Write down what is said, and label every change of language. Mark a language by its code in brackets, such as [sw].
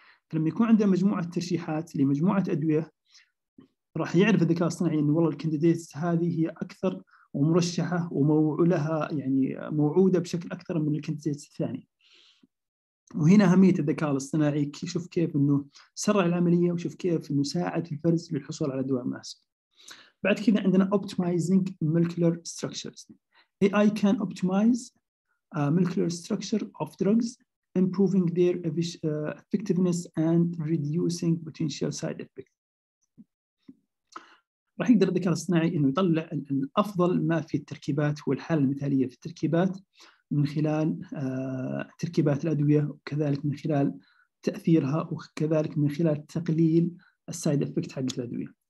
[ar] فلما يكون عنده مجموعة ترشيحات لمجموعة أدوية، راح يعرف الذكاء الصناعي إن والله الكانديديتس هذه هي أكثر ومرشحة وموعولها يعني موعودة بشكل أكثر من الكانديديتس الثاني. وهنا أهمية الذكاء الصناعي، شوف كيف إنه سرع العملية، وشوف كيف إنه ساعد الفرز للحصول على دواء مناسب. بعد كذا عندنا [en] optimizing molecular structures. AI can optimize molecular structure of drugs, improving their effectiveness and reducing potential side effects. [ar] راح يقدر الذكاء الاصطناعي انه يطلع الافضل ما في التركيبات والحاله المثاليه في التركيبات من خلال تركيبات الادويه، وكذلك من خلال تاثيرها، وكذلك من خلال تقليل السايد افكت حق الادويه.